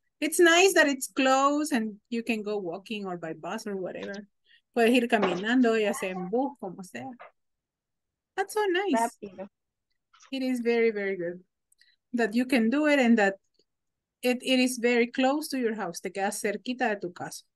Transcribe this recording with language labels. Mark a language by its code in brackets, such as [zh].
[en] It's nice that it's close and you can go walking or by bus or whatever. [es] Puedes ir caminando, ya sea en bus, como sea. [en] That's so nice. [es] Rápido. [en] It is very, very good that you can do it and that it is very close to your house. [es] Te quedas cerquita de tu casa.